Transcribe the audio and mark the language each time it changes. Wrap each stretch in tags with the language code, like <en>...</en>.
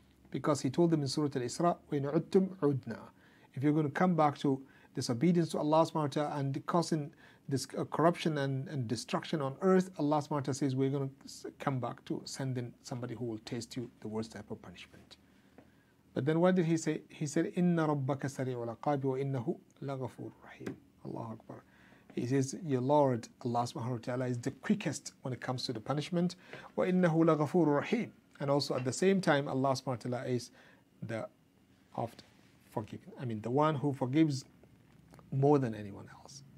<en>Because he told them in Surah Al-Isra, "When</en> <ar>عُدْتُمْ عُدْنَا."</ar> <en>If you're going to come back to disobedience to Allah subhanahu wa ta'ala and causing this corruption and destruction on earth, Allah subhanahu wa ta'ala says, we're going to come back to sending somebody who will taste you the worst type of punishment. But then what did he say? He said,</en> <ar>إِنَّ رَبَّكَ سَرِيعُ الْعِقَابِ وَإِنَّهُ لَغَفُورٌ رَحِيمٌ. Allahu Akbar.</ar> <en>He says, your Lord, Allah subhanahu wa ta'ala, is the quickest when it comes to the punishment.</en> <ar>وَإِنَّهُ لَغَفُورٌ رَحِيمٌ.</ar> <en>And also at the same time, Allah subhanahu wa ta'ala is the oft forgiving. I mean, the one who forgives more than anyone else.</en>